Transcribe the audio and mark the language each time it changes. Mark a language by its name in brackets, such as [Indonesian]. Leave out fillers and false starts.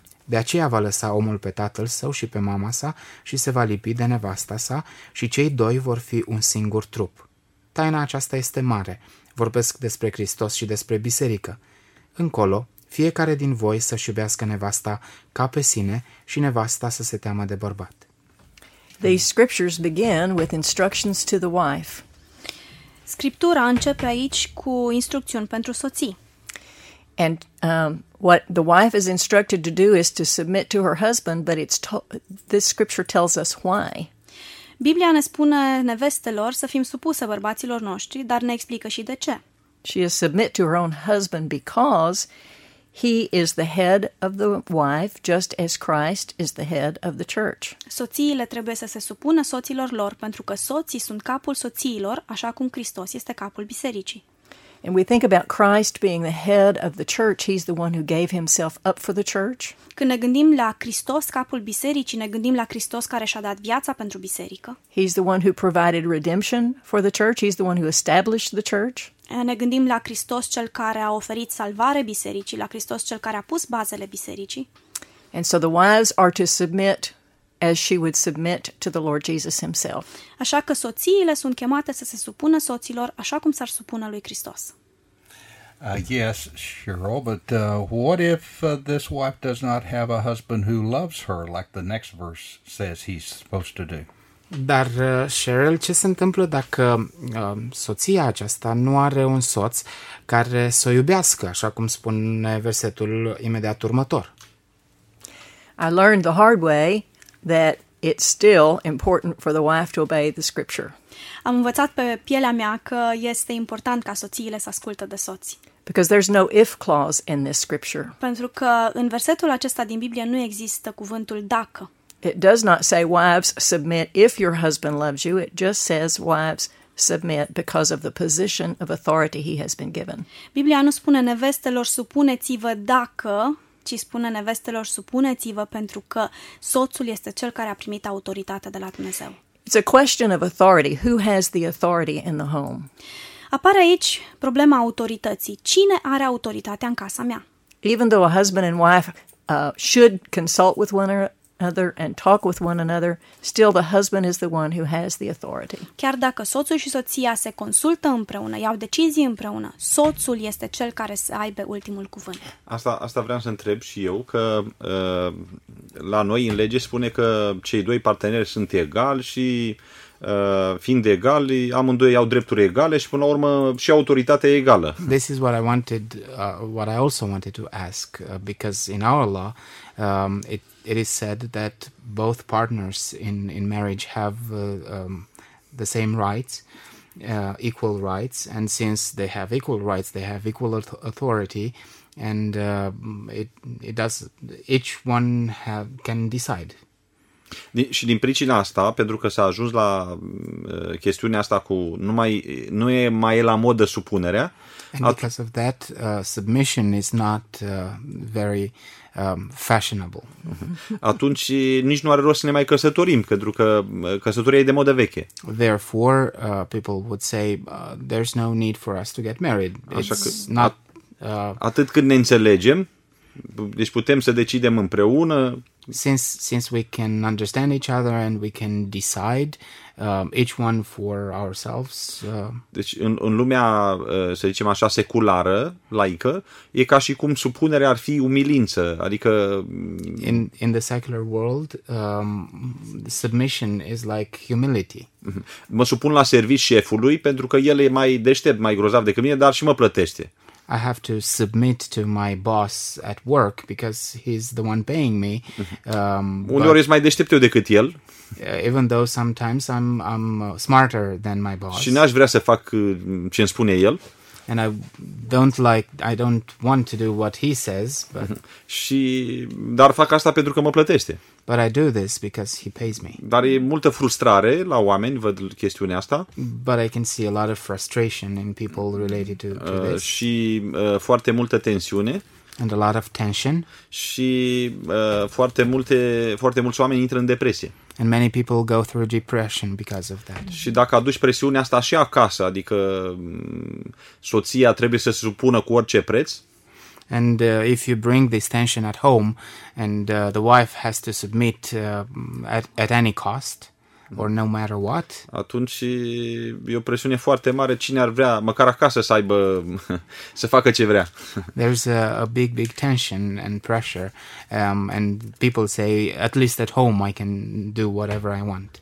[Romanian] De aceea va lăsa omul pe tatăl său și pe mama sa și se va lipi de nevasta sa și cei doi vor fi un singur trup. Taina aceasta este mare, vorbesc despre Hristos și despre biserică. Încolo, fiecare din voi să-și iubească nevasta ca pe sine și nevasta să se teamă de bărbat. [English] These scriptures begin with instructions to the wife. [Romanian] Scriptura începe aici cu instrucțiuni pentru soții. [English] And what the wife is instructed to do is to submit to her husband, but this scripture tells us why. [Romanian] Biblia ne spune nevestelor să fim supuse bărbaților noștri, dar ne explică și de ce. [English] She is submit to her own husband because he is the head of the wife, just as Christ is the head of the church. [Romanian] Soțiile trebuie să se supună soților lor pentru că soții sunt capul soțiilor, așa cum Hristos este capul bisericii. [English] And we think about Christ being the head of the church, he's the one who gave himself up for the church. [Romanian] Când ne gândim la Hristos, capul bisericii, ne gândim la Hristos care și-a dat viața pentru biserică. [English] He's the one who provided redemption for the church, he's the one who established the church. [Romanian] Ne gândim la Hristos cel care a oferit salvare bisericii, la Hristos cel care a pus bazele bisericii. [English] And so the wives are to submit as she would submit to the Lord Jesus himself. [Romanian] Așa că soțiile sunt chemate să se supună soților așa cum s-ar supune lui Hristos. [English] Yes, Cheryl, but what if this wife does not have a husband who loves her like the next verse says he's supposed to do? [Romanian] Dar, Cheryl, ce se întâmplă dacă soția aceasta nu are un soț care să o iubească, așa cum spune versetul imediat următor? [English] I learned the hard way that it's still important for the wife to obey the scripture. [Romanian] Am învățat pe pielea mea că este important ca soțiile să asculte de soți. [English] Because there's no if clause in this scripture. [Romanian] Pentru că în versetul acesta din Biblie nu există cuvântul dacă. [English] It does not say wives submit if your husband loves you. It just says wives submit because of the position of authority he has been given. [Romanian] Biblia nu spune nevestelor supuneți-vă dacă, ci spune nevestelor supuneți-vă pentru că soțul este cel care a primit autoritatea de la Dumnezeu. [English] It's a question of authority. Who has the authority in the home? [Romanian] Apare aici problema autorității. Cine are autoritatea în casa mea? [English] Even though a husband and wife should consult with one another and talk with one another, still the husband is the one who has the authority. [Romanian] Chiar dacă soțul și soția se consultă împreună, iau decizii împreună, soțul este cel care să aibă ultimul cuvânt. Asta vreau să întreb și eu, că la noi în lege spune că cei doi parteneri sunt egali și fiind egali, amândoi au drepturi egale și până la urmă și autoritatea e egală. [English] This is what I wanted, what I also wanted to ask, because in our law, it is said that both partners in marriage have the same rights, equal rights, and since they have equal rights, they have equal authority, and it does each one have can decide. [Romanian] Și din pricina asta, pentru că s-a ajuns la chestiunea asta cu nu e mai la modă supunerea. [English] And because of that, submission is not very fashionable. [Romanian] Atunci nici nu are rost să ne mai căsătorim, pentru că căsătoria e de modă veche. [English] Therefore, people would say there's no need for us to get married. [Romanian] Așa că, atât cât ne înțelegem, deci putem să decidem împreună. [English] Since we can understand each other and we can decide each one for ourselves. [Romanian] Deci în lumea, să zicem așa, seculară, laică, e ca și cum supunerea ar fi umilință, adică [English] in the secular world, submission is like humility. [Romanian] Mă supun la serviciu șefului pentru că el e mai deștept, mai grozav decât mine, dar și mă plătește. [English] I have to submit to my boss at work because he's the one paying me. [Romanian] Uneori ești mai deștept eu decât el. [English] Even though sometimes I'm smarter than my boss. [Romanian] Și n-aș vrea să fac ce îmi spune el. [English] And I don't want to do what he says, but [Romanian] dar fac asta pentru că mă plătește. [English] But I do this because he pays me. [Romanian] Dar e multă frustrare la oameni, văd chestiunea asta. [English] But I can see a lot of frustration in people related to this. [Romanian] Și foarte multă tensiune. [English] And a lot of tension. [Romanian] Și foarte mulți oameni intră în depresie. [English] And many people go through depression because of that. [Romanian] Și dacă aduci presiunea asta și acasă, adică soția trebuie să se supună cu orice preț. [English] And if you bring this tension at home and the wife has to submit at any cost or no matter what. [Romanian] Atunci e o presiune foarte mare, cine ar vrea măcar acasă să aibă să facă ce vrea. [English] There's a big tension and pressure and people say at least at home I can do whatever I want.